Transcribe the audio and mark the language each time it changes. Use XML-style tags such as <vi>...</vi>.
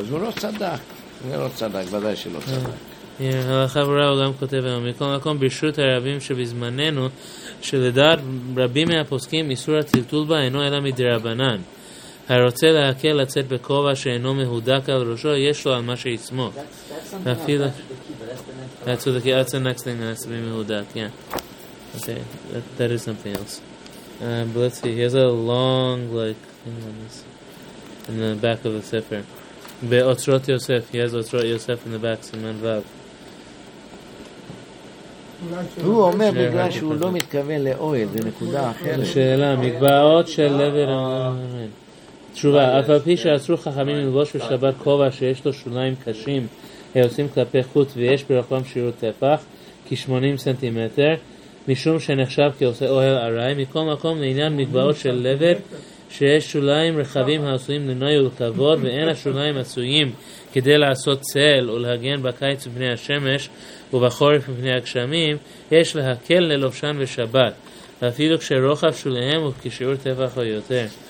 <he>אז הוא לא צדק, הוא לא צדק, ודאי שלא צדק. החברה הוא גם כותב היום, מכל מקום ברשות הרבים שבזמננו, שלדעת רבים מהפוסקים איסור הטלטול בה אינו אלא מדרבנן. הרוצה להקל לצאת בכובע שאינו מהודק על ראשו, יש לו על מה שיסמוך.</he> <en>That's something else. That's the next thing that's been מהודק, yeah. Okay, that is something else. But let's see, he has a long, like, thing on this, in the back of the sefer.</en> <he>באוצרות יוסף,</he> <en>he has</en> <he>אוצרות יוסף</he> <en>in the back,</en> <he>סימן וב. הוא אומר בגלל שהוא לא מתכוון לאוהל, זה נקודה אחרת. שאלה, מקבעות של לבר אמן. תשובה, אף על פי שעצרו חכמים ללבוש בשבת כובע שיש לו שוליים קשים, הם עושים כלפי חוץ ויש ברחבם שיעור טפח, כ-80 סנטימטר, משום שנחשב כעושה אוהל ארעי, מכל מקום לעניין מקבעות של לבר, שיש שוליים רחבים העשויים לנוי ולכבוד, ואין השוליים עשויים כדי לעשות צל ולהגן בקיץ מפני השמש ובחורף מפני הגשמים, יש להקל ללובשן בשבת, ואפילו כשרוחב שוליהם הוא כשיעור טפח או יותר.</he>